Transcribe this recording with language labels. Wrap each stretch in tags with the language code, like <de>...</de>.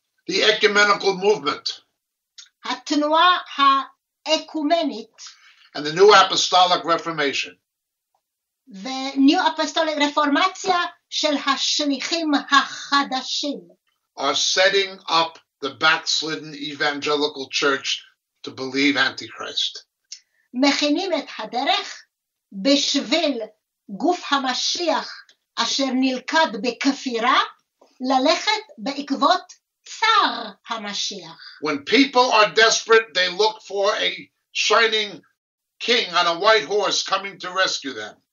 <en>The Ecumenical Movement,</en> <he>התנועה האקומנית,</he> <en>and the New Apostolic Reformation,</en> <he>ו-New Apostolic Reformation של השליחים החדשים,</he> <en>are setting up the backslidden evangelical church to believe Antichrist.</en> <he>מכינים את הדרך בשביל גוף המשיח אשר נלכד בכפירה ללכת בעקבות צר המשיח.</he> <en>When people are desperate, they look for a shining king on a white horse coming to rescue them.</en>